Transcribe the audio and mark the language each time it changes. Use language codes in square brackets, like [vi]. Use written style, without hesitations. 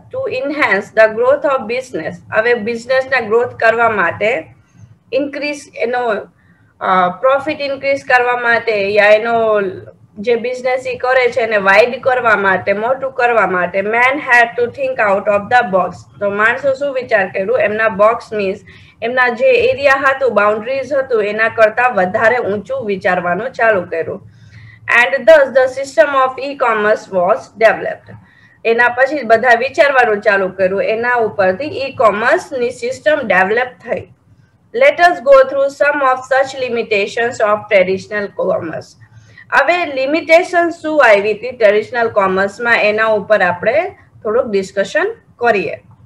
[en] to enhance the growth of business, [gu] હવે બિઝનેસના growth કરવા માટે, ઇન્ક્રીઝ એનો પ્રોફિટ ઇન્ક્રીઝ કરવા માટે, યા એનો જે બિઝનેસ એ કરે છે એને વાઇડ કરવા માટે, મોટું કરવા માટે, [en] Man had to think out of the box. [gu] તો માણસો શું વિચાર કર્યું, એમના બોક્સ મીન્સ એમના જે એરિયા હતું, બાઉન્ડ્રીઝ હતું, એના કરતાં વધારે ઊંચું વિચારવાનું ચાલુ કર્યું. [en] And thus the system of e-commerce was developed. [gu] એના પછી બધા વિચારવાનું ચાલુ કર્યું, એના ઉપરથી e-commerce ની સિસ્ટમ ડેવલપ થઈ. [en] Let us go through some of such limitations of traditional commerce. [gu] હવે લિમિટેશન શું આવી હતી ટ્રેડિશનલ કોમર્સમાં એના ઉપર આપણે થોડુંક ડિસ્કશન કરીએ.